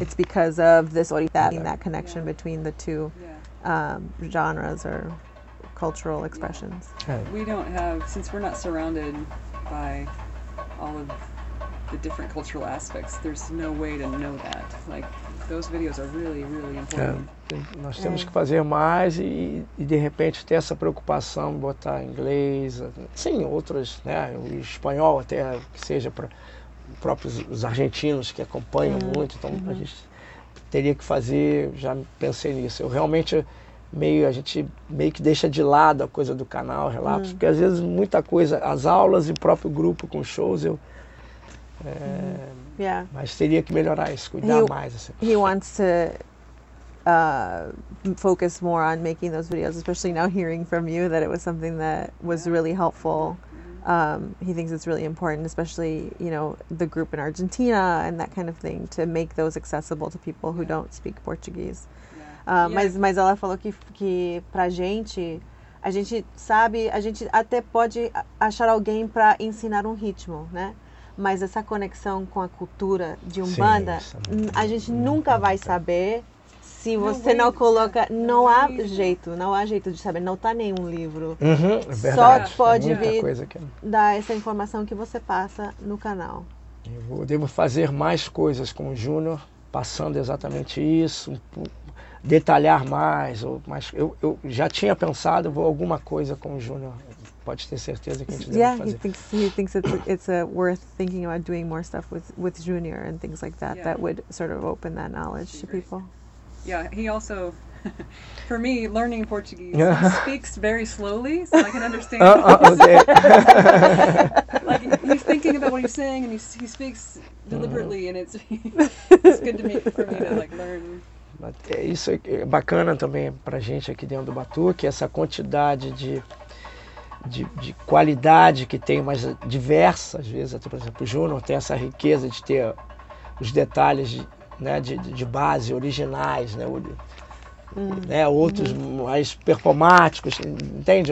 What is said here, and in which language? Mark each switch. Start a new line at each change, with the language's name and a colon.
English: It's because of this orita, that connection between the two genres or cultural expressions. We don't have, since we're not surrounded by all of the different cultural aspects, there's no way to know that. Like, those videos are really, really important.
Portuguese: Nós temos que fazer mais e de repente ter essa preocupação, botar inglês, sim, outros, né, o espanhol até, que seja para próprios os argentinos que acompanham muito, então a gente teria que fazer, já pensei nisso. Eu realmente meio, a gente meio que deixa de lado a coisa do canal, relatos, porque às vezes muita coisa, as aulas e o próprio grupo com shows, eu... Mas teria que melhorar isso, cuidar mais. Assim.
English: He wants to focus more on making those videos, especially now hearing from you that it was something that was really helpful. He thinks it's really important, especially, you know, the group in Argentina and that kind of thing, to make those accessible to people who don't speak Portuguese.
Portuguese: Mas ela falou que pra gente, a gente sabe, a gente até pode achar alguém para ensinar um ritmo, né? Mas essa conexão com a cultura de Umbanda, a gente nunca vai saber se você não coloca... Não há jeito, não há jeito de saber, não está nenhum livro. Só pode vir dar essa informação que você passa no canal. Eu devo fazer mais coisas com o Júnior, passando exatamente isso, detalhar mais. Mas eu já tinha pensado, vou alguma coisa com o Júnior. Pode ter certeza que a gente deve fazer.
English: He thinks it's worth thinking about doing more stuff with Junior and things like that that would sort of open that knowledge to people. Yeah, he also, for me, learning Portuguese, he speaks very slowly, so I can understand. Like he's thinking about what he's saying and he speaks deliberately and it's good to me for me to like learn.
Portuguese: Isso é bacana também para a gente aqui dentro do Batuque, essa quantidade de qualidade que tem, mas diversa, às vezes, até, por exemplo, o Júnior tem essa riqueza de ter os detalhes de base, originais, outros mais performáticos, entende?